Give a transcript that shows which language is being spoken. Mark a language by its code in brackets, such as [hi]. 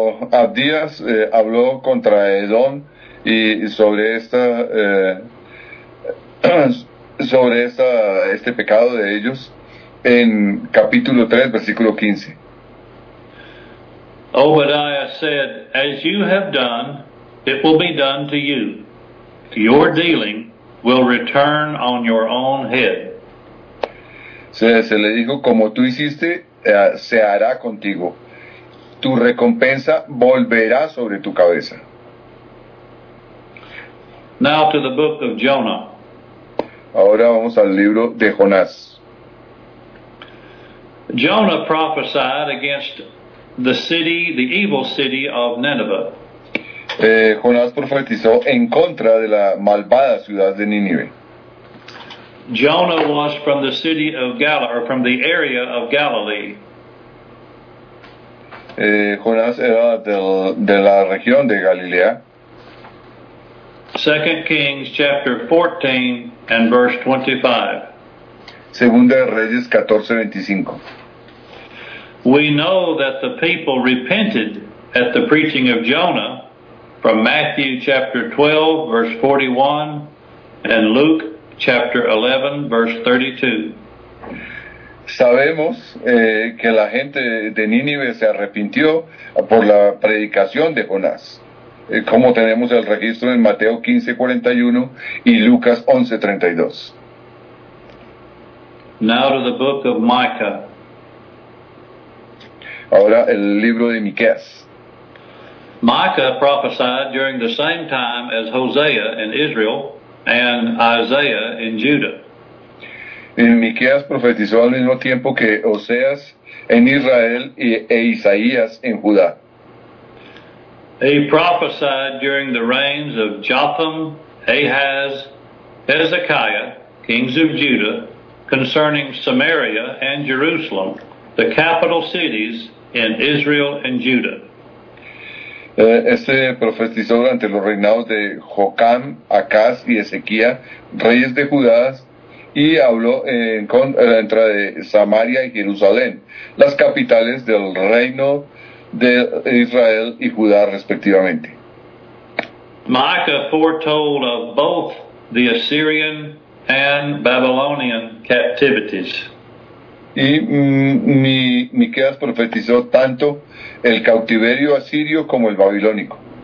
[es] Abdías habló contra Edom y sobre este pecado de ellos en capítulo 3, versículo 15. [en] Obadiah said, as you have done, it will be done to you. Your dealing will return on your own head. [es] Se le dijo, como tú hiciste, se hará contigo. Tu recompensa volverá sobre tu cabeza. [en] Now to the book of Jonah. [es] Ahora vamos al libro de Jonás. [en] Jonah prophesied against the city, the evil city of Nineveh. [es] Jonás profetizó en contra de la malvada ciudad de Nínive. [en] Jonah was from the city of Galilee, or from the area of Galilee. [es] Jonás era de la región de Galilea. [en] 2 Kings chapter 14 and verse 25. [es] Segunda de Reyes 14, 25. [en] We know that the people repented at the preaching of Jonah from Matthew chapter 12, verse 41, and Luke chapter 11, verse 32. [es] Sabemos que la gente de Nínive se arrepintió por la predicación de Jonás, como tenemos el registro en Mateo 15, 41 y Lucas 11, 32. [en] Now to the book of Micah. [es] Ahora el libro de Miqueas. [en] Micah prophesied during the same time as Hosea in Israel and Isaiah in Judah. [es] Miqueas profetizó al mismo tiempo que Oseas en Israel e Isaías en Judá. [en] He prophesied during the reigns of Jotham, Ahaz, Hezekiah, kings of Judah, concerning Samaria and Jerusalem, the capital cities in Israel and Judah. [es] Este profetizó durante los reinados de Jocán, Acaz y Ezequías, reyes de Judá, y habló en contra de Samaria y Jerusalén, las capitales del reino de Israel y Judá, respectivamente. [en] Micah foretold of both the Assyrian and Babylonian captivities. [es] Y Miqueas profetizó tanto el cautiverio asirio como el babilónico.